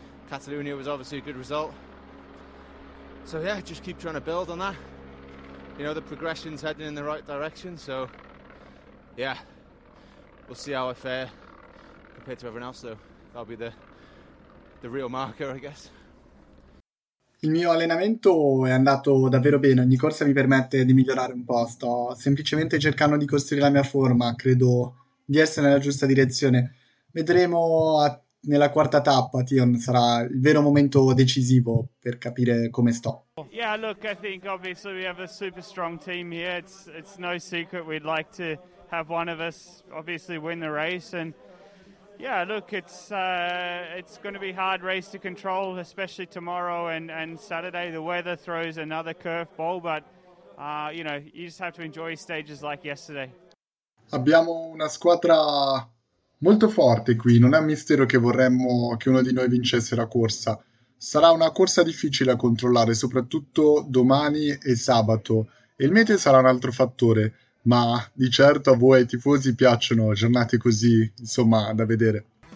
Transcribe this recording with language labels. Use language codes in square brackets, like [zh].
[en] Catalonia was obviously a good result. So yeah, just keep trying to build on that. You know, the progression's heading in the right direction, so yeah. We'll see how I fare compared to everyone else, though. That'll be the real marker, I guess. [it] Il mio allenamento è andato davvero bene, ogni corsa mi permette di migliorare un po', sto semplicemente cercando di costruire la mia forma, credo di essere nella giusta direzione. Vedremo nella quarta tappa, Tion, sarà il vero momento decisivo per capire come sto. [en] Yeah, look, I think obviously we have a super strong team here. It's no secret we'd like to have one of us obviously win the race and yeah, look, it's going to be hard race to control, especially tomorrow and Saturday. The weather throws another curveball, but you know, you just have to enjoy stages like yesterday. [it] Abbiamo una squadra molto forte qui, non è un mistero che vorremmo che uno di noi vincesse la corsa. Sarà una corsa difficile da controllare, soprattutto domani e sabato. E il meteo sarà un altro fattore, ma di certo a voi ai tifosi piacciono giornate così, insomma, da vedere.